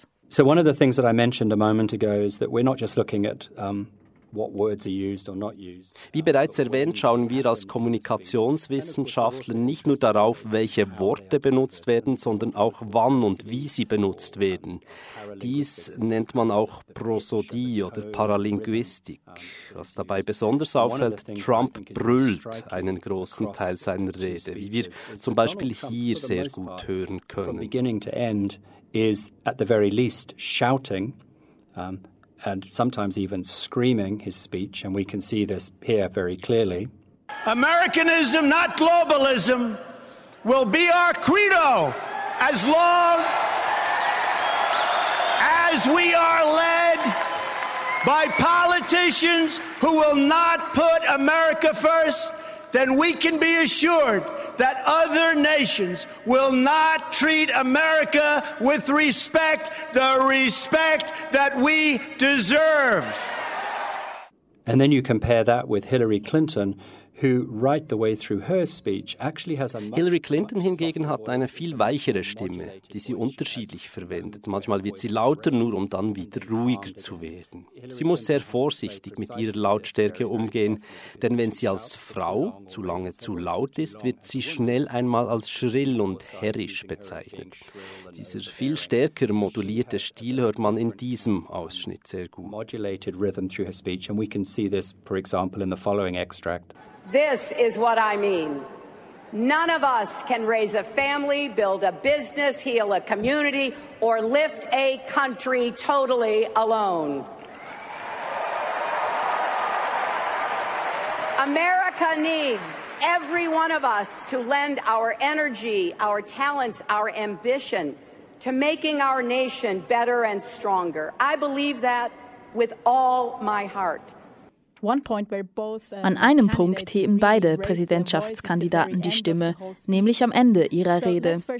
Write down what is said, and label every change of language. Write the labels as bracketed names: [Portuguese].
[English] So one of the things that I mentioned a moment ago is that we're not just looking at what words are used or not used. [German] Wie bereits erwähnt, schauen wir als Kommunikationswissenschaftler nicht nur darauf, welche Worte benutzt werden, sondern auch wann und wie sie benutzt werden. Dies nennt man auch Prosodie oder Paralinguistik. Was dabei besonders auffällt, Trump brüllt einen großen Teil seiner Rede, wie wir zum Beispiel hier sehr gut hören können. [English] From beginning to end is at the very least shouting, and sometimes even screaming his speech, and we can see this here very clearly. Americanism, not globalism, will be our credo as long as we are led by politicians who will not put America first, then we can be assured that other nations will not treat America with respect, the respect that we deserve. And then you compare that with Hillary Clinton, who right the way through her speech actually has a much, [German] Hillary Clinton hingegen hat eine viel weichere Stimme, die sie unterschiedlich verwendet. Manchmal wird sie lauter, nur um dann wieder ruhiger zu werden. Sie muss sehr vorsichtig mit ihrer Lautstärke umgehen, denn wenn sie als Frau zu lange zu laut ist, wird sie schnell einmal als schrill und herrisch bezeichnet. Dieser viel stärker modulierte Stil hört man in diesem Ausschnitt sehr gut. [English] Modulated rhythm through her speech, and we can see this, for example, in the following extract. This is what I mean. None of us can raise a family, build a business, heal a community, or lift a country totally alone. America needs every one of us to lend our energy, our talents, our ambition to making our nation better and stronger. I believe that with all my heart. [German] An einem Punkt heben beide Präsidentschaftskandidaten die Stimme, nämlich am Ende ihrer Rede.